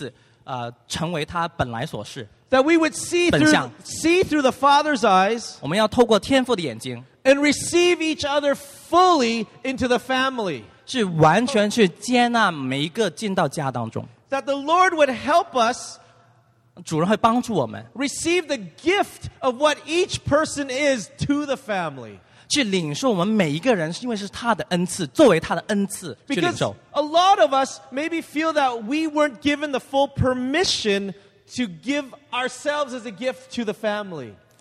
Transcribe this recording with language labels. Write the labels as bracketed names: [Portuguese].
[Chinese] 但是我们作为一家，我们所领受的是什么呢？我感觉神给我们一个许可，那个许可就是我们允许彼此，成为他本来所是。 [English] That we would see through the Father's eyes. [Chinese] 我们要透过天父的眼睛 [English] and receive each other fully into the family. [Chinese] 是完全去接纳每一个进到家当中。 [English] That the Lord would help us. [Chinese] 主人会帮助我们。 [English] Receive the gift of what each person is to the family. [Chinese] 去领受我们每一个人，因为是他的恩赐，作为他的恩赐去领受。 [English] Because a lot of us maybe feel that we weren't given the full permission to give ourselves as a gift to the family.